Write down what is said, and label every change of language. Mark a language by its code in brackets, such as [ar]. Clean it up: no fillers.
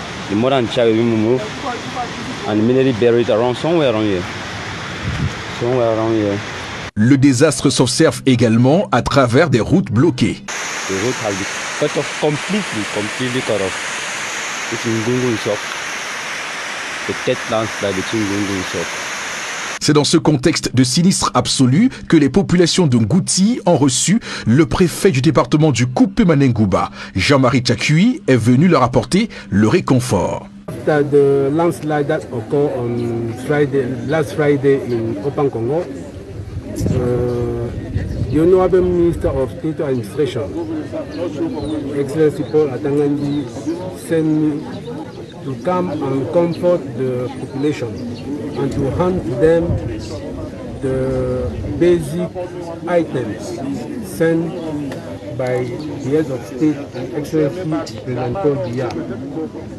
[en] The modern child will be removed and immediately buried around somewhere around here. Somewhere around here. [fr] Le désastre s'observe également à travers des routes bloquées. [en] The route has been cut off completely cut off. It's in Gungun shop. The tet lance by the Gungun shop. [fr] C'est dans ce contexte de sinistre absolu que les populations de Ngouti ont reçu le préfet du département du Koupé-Manengoumba. Jean-Marie Tchakui est venu leur apporter le réconfort. [en] After the landslide that occurred on Friday, last Friday in Open Congo, the honorable minister of state administration, Excellency Paul Atangandi, sent me to come and comfort the population and to hand to them the basic items sent by the head of state and excellency President Paul Biya.